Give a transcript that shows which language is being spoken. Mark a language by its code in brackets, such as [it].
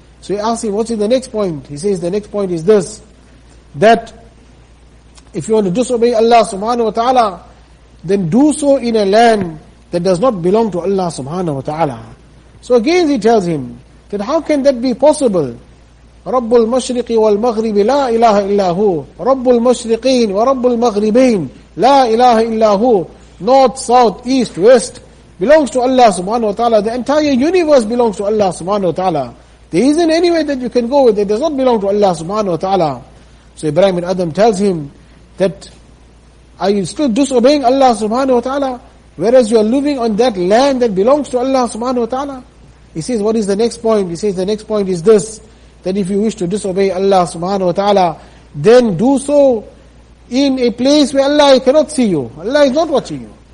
[en] So he asks him, what's in the next point? He says, the next point is this, that if you want to disobey Allah subhanahu wa ta'ala, then do so in a land that does not belong to Allah subhanahu wa ta'ala. So again he tells him, that how can that be possible? [ar] رب المشرق والمغرب لا إله إلا هو، رب المشرقين ورب المغربين لا إله إلا هو، [en] north, south, east, west belongs to Allah subhanahu wa ta'ala. The entire universe belongs to Allah subhanahu wa ta'ala. There isn't any way that you can go with it. It does not belong to Allah subhanahu wa ta'ala. So Ibrahim and Adam tells him that, are you still disobeying Allah subhanahu wa ta'ala? Whereas you are living on that land that belongs to Allah subhanahu wa ta'ala. He says, what is the next point? He says, the next point is this, that if you wish to disobey Allah subhanahu wa ta'ala, then do so in a place where Allah cannot see you. Allah is not watching you.